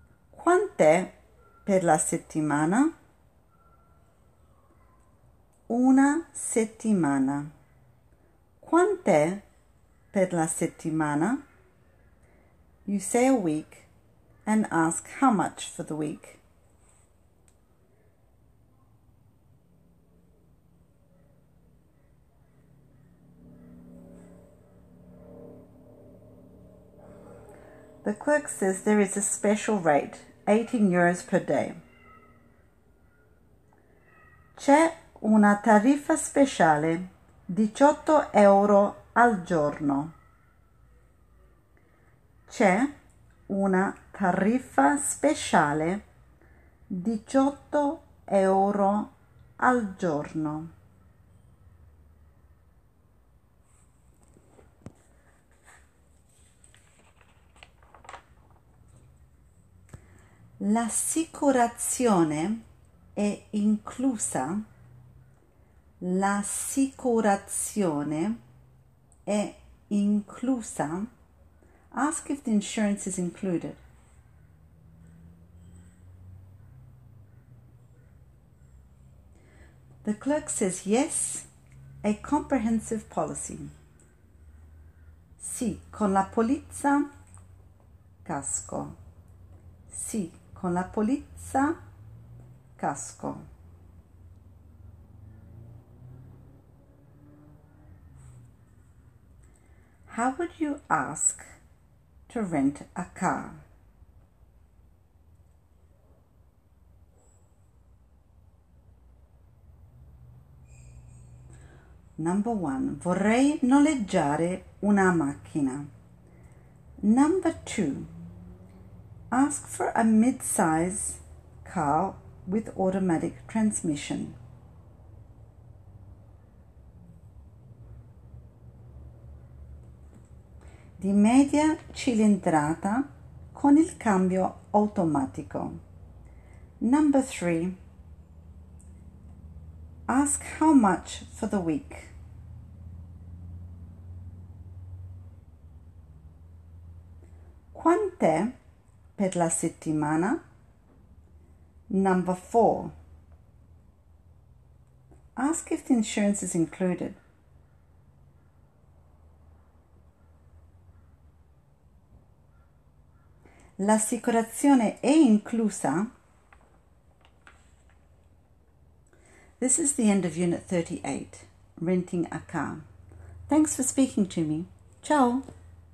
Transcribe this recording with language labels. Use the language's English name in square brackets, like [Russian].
[Italian] Quant'è per la settimana? Una settimana. Quant'è per la settimana? [English] You say a week and ask how much for the week. The clerk says there is a special rate, 18 euros per day. [Italian] C'è una tariffa speciale, 18 euro al giorno. C'è una tariffa speciale, 18 euro al giorno. L'assicurazione è inclusa? L'assicurazione è inclusa? [English] Ask if the insurance is included. The clerk says yes, a comprehensive policy. [Italian] Sì, con la polizza casco. Sì. Con la polizza, casco. [English] How would you ask to rent a car? Number one, [Italian] vorrei noleggiare una macchina. [English] Number two, ask for a mid-size car with automatic transmission. [Italian] Di media cilindrata con il cambio automatico. [English] Number three. Ask how much for the week. [Italian] Quant'è per la settimana? [English] Number four. Ask if the insurance is included. [Italian] L'assicurazione è inclusa? [English] This is the end of Unit 38, Renting a Car. Thanks for speaking to me. Ciao!